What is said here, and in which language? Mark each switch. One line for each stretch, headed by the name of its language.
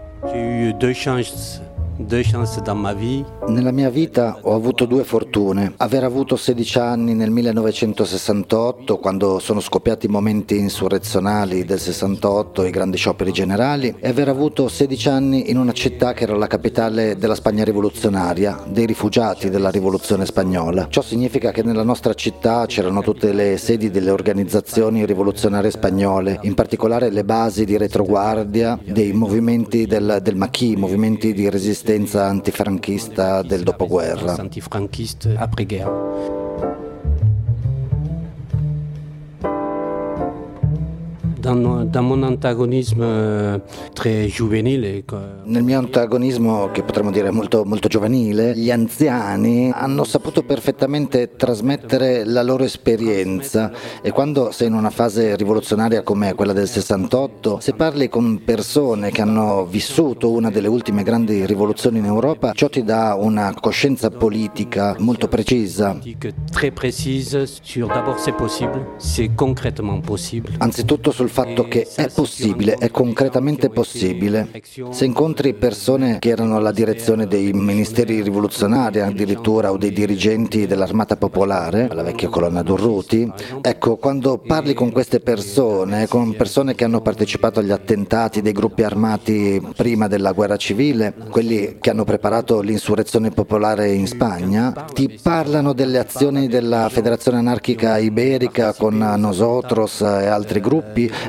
French: J'ai eu deux chances dans ma vie.
Italian: Nella mia vita ho avuto due fortune. Aver avuto 16 anni nel 1968, quando sono scoppiati i momenti insurrezionali del 68, i grandi scioperi generali, e aver avuto 16 anni in una città che era la capitale della Spagna rivoluzionaria, dei rifugiati della rivoluzione spagnola. Ciò significa che nella nostra città c'erano tutte le sedi delle organizzazioni rivoluzionarie spagnole, in particolare le basi di retroguardia dei movimenti del Maquis, movimenti di resistenza antifranchista del dopoguerra.
French: Antifranchiste après-guerre. Dans mon antagonisme très juvenile.
Italian: Nel mio antagonismo, che potremmo dire molto, molto giovanile, gli anziani hanno saputo perfettamente trasmettere la loro esperienza. E quando sei in una fase rivoluzionaria come quella del 68, se parli con persone che hanno vissuto una delle ultime grandi rivoluzioni in Europa, ciò ti dà una coscienza politica molto precisa.
French: Très précise sur d'abord c'est possible, c'est concrètement possible.
Italian: Anzitutto sul fatto che è possibile, è concretamente possibile. Se incontri persone che erano alla direzione dei ministeri rivoluzionari addirittura o dei dirigenti dell'Armata Popolare, la vecchia colonna Durruti, ecco, quando parli con queste persone, con persone che hanno partecipato agli attentati dei gruppi armati prima della guerra civile, quelli che hanno preparato l'insurrezione popolare in Spagna, ti parlano delle azioni della Federazione Anarchica Iberica con Nosotros e altri gruppi.